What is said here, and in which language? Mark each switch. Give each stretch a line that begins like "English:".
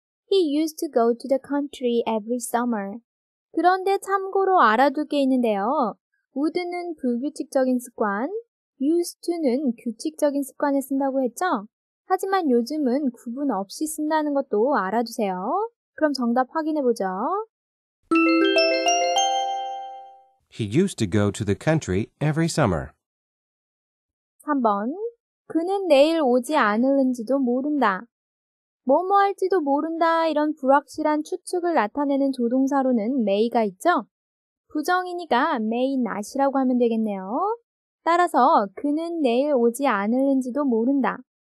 English: He used to go to the country every summer.
Korean: 그런데 참고로 알아둘 게 있는데요. would는 불규칙적인 습관, used to는 규칙적인 습관을 쓴다고 했죠? 하지만 요즘은 구분 없이 쓴다는 것도 알아두세요. 그럼 정답 확인해 보죠.
English: He used to go to the country every summer.
Korean: 3번. 그는 내일 오지 않을는지도 모른다. 뭐뭐 할지도 모른다 이런 불확실한 추측을 나타내는 조동사로는 may가 있죠? 부정이니까
English: may not
Korean: 이라고 하면 되겠네요. 따라서 그는 내일 오지 않을는지도 모른다.